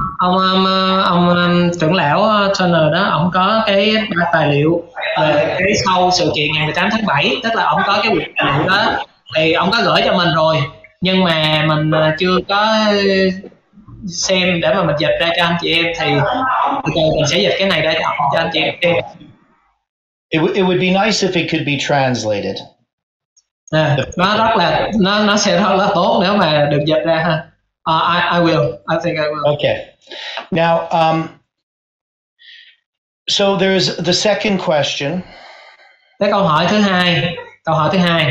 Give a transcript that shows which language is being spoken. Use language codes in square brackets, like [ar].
[vi] Ông trưởng lão Turner đó, ông có cái tài liệu cái sau sự kiện ngày 18 tháng 7, tức là ông có cái quyển tài liệu đó thì ông có gửi cho mình rồi, nhưng mà mình chưa có xem để mà mình dịch ra cho anh chị em, thì okay, mình sẽ dịch cái này đây cho anh chị em. [en] It would be nice if it could be translated. [vi] Nó sẽ rất là tốt nếu mà được dịch ra ha. [en] I think I will. Okay. Now, so there's the second question. [vi] Thế câu hỏi thứ hai. Câu hỏi thứ hai.